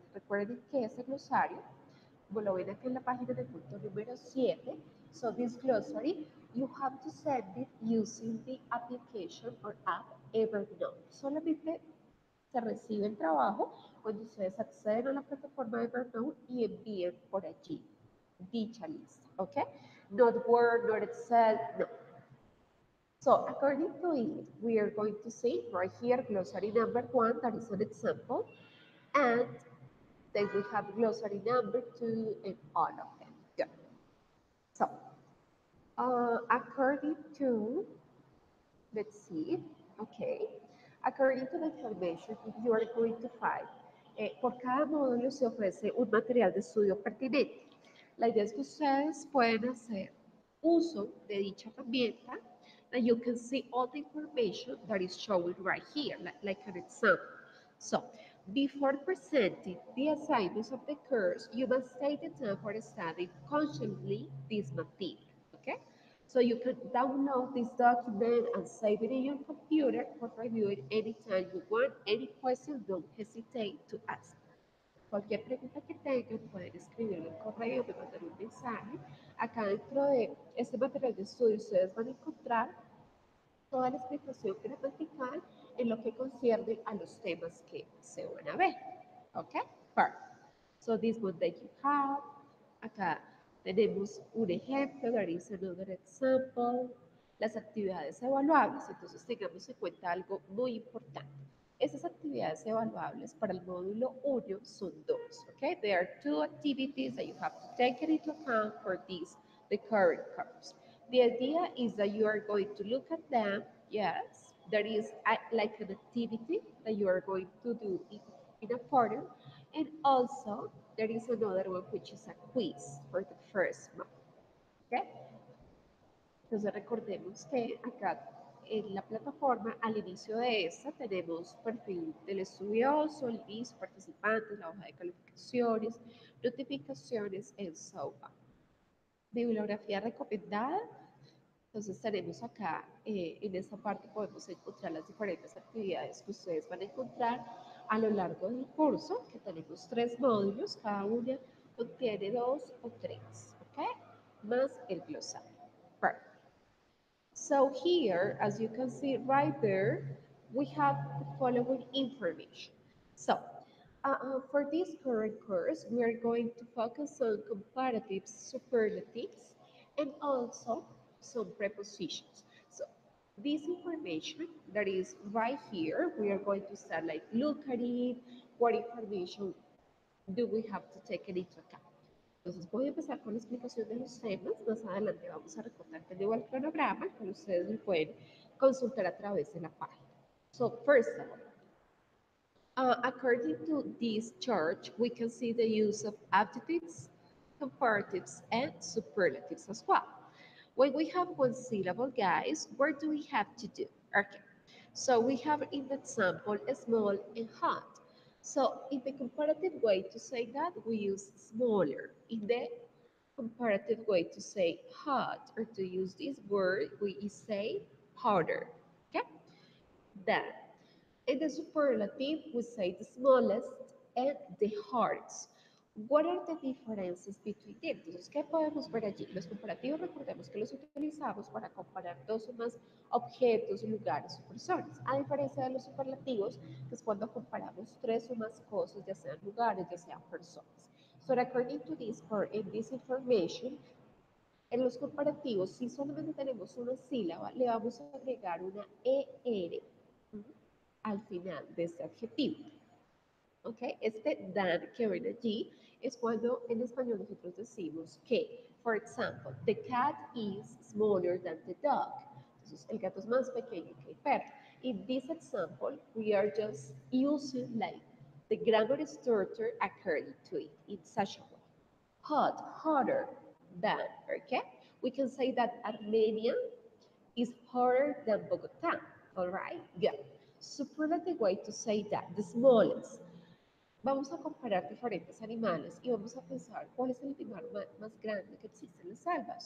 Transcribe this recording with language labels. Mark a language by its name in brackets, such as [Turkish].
[Spanish] Recuerden que ese glosario, como lo ven acá en la página del punto número 7, [English] so this glossary, you have to send it using the application or app Evernote. [Spanish] Solamente se recibe el trabajo cuando ustedes acceden a la plataforma Evernote y envíen por allí dicha lista, ¿ok? [English] Not Word, not Excel, no. So, according to it, we are going to see right here glossary number 1, that is an example, and then we have glossary number 2 and all of them. Good. So, according to, let's see, okay, according to the information, you are going to find, [Spanish] por cada módulo se ofrece un material de estudio pertinente. La idea es que ustedes pueden hacer uso de dicha herramienta, [English] and you can see all the information that is showing right here, like an example. So, before presenting the assignments of the course, you must take the time for studying consciously this material, okay? So you can download this document and save it in your computer for reviewing anytime you want. Any question, don't hesitate to ask. [Spanish] Cualquier pregunta que tengan, pueden escribirme en correo, me mandan un mensaje. Acá dentro de este material de estudio, ustedes van a encontrar toda la explicación gramatical en lo que concierne a los temas que se van a ver. [English] Okay, perfect. So this one that you have, [Spanish] acá tenemos un ejemplo, [English] there is another example, [Spanish] las actividades evaluables. Entonces tengamos en cuenta algo muy importante. Esas actividades evaluables para el módulo 1 son dos. [English] Okay, there are two activities that you have to take into account for this, the current course. The idea is that you are going to look at them, yes, there is like an activity that you are going to do in a quarter, and also there is another one which is a quiz for the first month. [Spanish] Okay? Entonces recordemos que acá en la plataforma, al inicio de esta, tenemos perfil del estudioso, el listo, participantes, la hoja de calificaciones, notificaciones, [English] and so on. [Spanish] Bibliografía recomendada. Entonces tenemos acá, en esta parte podemos encontrar las diferentes actividades que ustedes van a encontrar a lo largo del curso, que tenemos tres módulos, cada una contiene dos o tres, ¿ok? Más el glosario. Perfect. [English] So here, as you can see right there, we have the following information. So, for this current course, we are going to focus on comparative superlatives and also some prepositions. So this information that is right here, we are going to start like look at it, what information do we have to take it into account. [Spanish] Entonces voy a empezar con la explicación de los temas, más adelante vamos a recordar que llevo el cronograma que ustedes lo pueden consultar a través de la página. [English] So first of all, according to this chart, we can see the use of adjectives, comparatives, and superlatives as well. When we have one syllable, guys, what do we have to do? Okay, so we have in the example small and hot. So in the comparative way to say that, we use smaller. In the comparative way to say hot or to use this word, we say harder. Okay, then in the superlative, we say the smallest and the hardest. What are the differences between them? [Spanish] Entonces, ¿qué podemos ver allí? Los comparativos, recordemos que los utilizamos para comparar dos o más objetos, lugares o personas. A diferencia de los superlativos, que es cuando comparamos tres o más cosas, ya sean lugares, ya sean personas. [English] So, according to this, or in this information, [Spanish] en los comparativos, si solamente tenemos una sílaba, le vamos a agregar una ER al final de ese adjetivo. Okay, este than que ven allí es cuando en español nosotros decimos que, [English] for example, the cat is smaller than the dog. [Spanish] Entonces, el gato es más pequeño que el perro. [English] In this example, we are just using like the grammar structure according to it in such a way. Hot, hotter than, okay? We can say that Armenia is hotter than Bogotá. All right, good. Superlative way to say that, the smallest. [Spanish] Vamos a comparar diferentes animales y vamos a pensar cuál es el animal más grande que existe en la selva.